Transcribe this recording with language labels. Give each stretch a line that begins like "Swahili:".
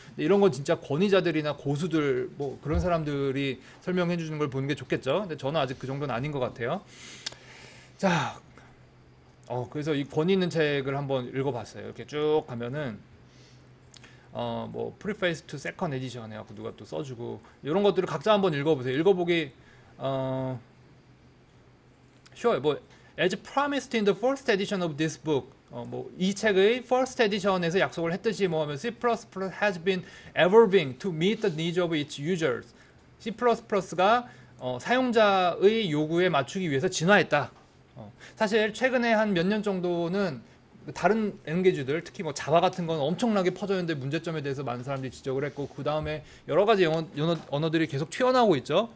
Korean: 근데 이런 건 진짜 권위자들이나 고수들 뭐 그런 사람들이 설명해 주는 걸 보는 게 좋겠죠. 근데 저는 아직 그 정도는 아닌 것 같아요. 자, 그래서 이 권위 있는 책을 한번 읽어봤어요. 이렇게 쭉 가면은
English: 프리페이스 투 세컨 에디션
Korean: 해갖고 누가 또 써주고 이런 것들을 각자 한번 읽어보세요. 읽어보기
English: sure 뭐 as promised in the first edition of this book
Korean: 이 책의
English: first edition
Korean: 에서 약속을 했듯이 뭐 하면
English: C++ has been evolving to meet the needs of its users.
Korean: C++가 사용자의 요구에 맞추기 위해서 진화했다. 사실 최근에 한 몇 년 정도는 다른 랭귀지들, 특히 뭐 자바 같은 건 엄청나게 퍼졌는데 문제점에 대해서 많은 사람들이 지적을 했고 그 다음에 여러 가지 언어들이 계속 튀어나오고 있죠.